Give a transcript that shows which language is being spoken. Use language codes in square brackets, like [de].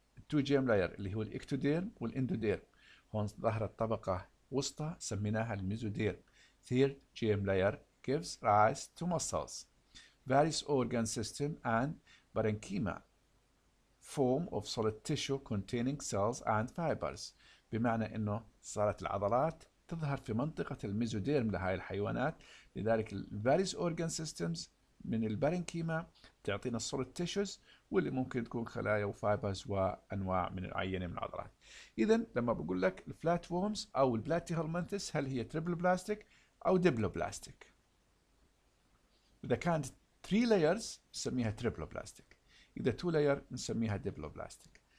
[ar] 2 جيم لاير اللي هو الإكتوديرم والإندوديرم. هون ظهرت طبقة وسطى سميناها الميزودير. [en] third germ layer gives rise to muscles, various organ system and parenchyma, form of solid tissue containing cells and fibers. [ar] بمعنى انه صارت العضلات تظهر في منطقة الميزوديرم لهاي الحيوانات، لذلك [en] various organ systems [ar] من البارينكيما تعطينا [en] solid tissues [ar] واللي ممكن تكون خلايا وفايبرز وانواع من العينه من العضلات. اذا لما بقول لك الفلات وومز او البلاتيهلمنثس هل هي تريبل بلاستيك او ديبلو بلاستيك؟ اذا كانت 3 لايرز نسميها تريبل بلاستيك، اذا 2 لاير نسميها ديبلو بلاستيك.